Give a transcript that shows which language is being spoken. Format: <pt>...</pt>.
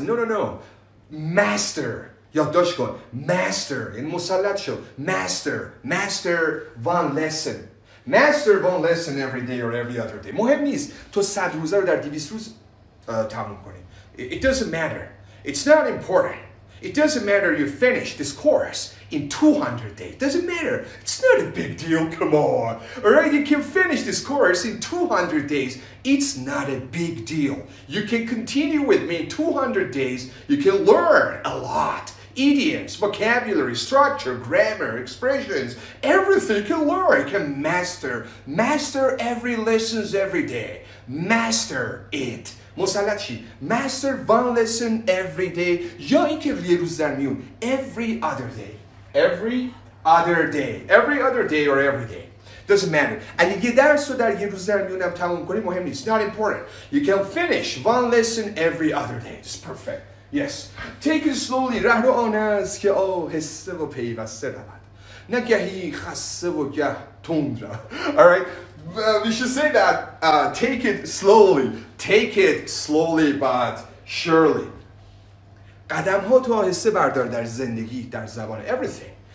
<en>No. Master.</en> <fa>یادداشت کن.</fa> <en>Master.</en> <fa>این مسلط شو.</fa> <en>Master. Master one lesson. Master won't listen every day or every other day.</en> <fa>مهم نیست تو 100 روزه رو در 200 روز تموم کنی.</fa> <en>It doesn't matter. It's not important. It doesn't matter you finish this course in 200 days. Doesn't matter. It's not a big deal. Come on. All right, you can finish this course in 200 days. It's not a big deal. You can continue with me in 200 days. You can learn a lot. Idioms, vocabulary, structure, grammar, expressions, everything you can learn, you can master. Master every lesson every day. Master it.</en> <fa>مسلط شید.</fa> <en>Master one lesson every day.</en> <fa>یا اینکه یه روز در میون.</fa> <en>Every other day. Every other day. Every other day or every day. Doesn't matter.</en> <fa>اگه یه درس رو در یه روز در میون هم تموم کنی مهم نیست.</fa> <en>Not important. You can finish one lesson every other day. It's perfect. Yes. Take it slowly.</en> <fa>راه رو آن است که آهسته و پیوسته رود. نه گهی خسته و گه تند را.</fa> <en>All right. We should say that take it slowly but surely.</en> <fa>قدم ها تو آهسته بردار در زندگی در زبان everything.</fa>